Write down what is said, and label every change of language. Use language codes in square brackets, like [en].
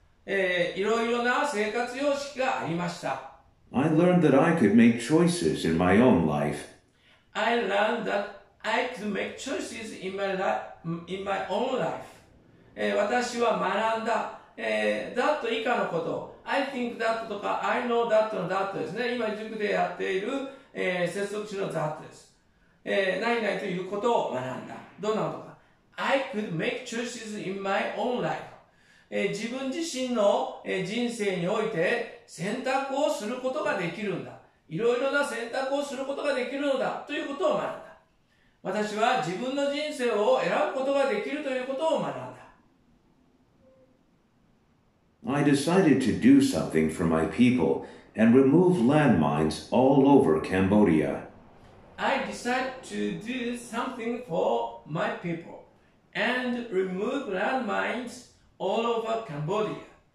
[ja] いろいろな生活様式がありました。 [en] I learned that I could make choices in my own life. I learned that I could make choices in my life. In my own life. [ja] 私は学んだ。 that 以下のこと。 [en] I think that [ja] とか [en] I know that [ja] の that ですね。今塾でやっている、接続詞の that です。何々ということを学んだ。どんなことか。 [en] I could make choices in my own life. [ja] 自分自身の、人生において選択をすることができるんだ。いろいろな選択をすることができるのだということを学んだ。私は自分の人生を選ぶことができるということを学んだ。 [en] I decided to do something for my people and remove landmines all over Cambodia. I decided to do something for my people and remove landmines all over Cambodia.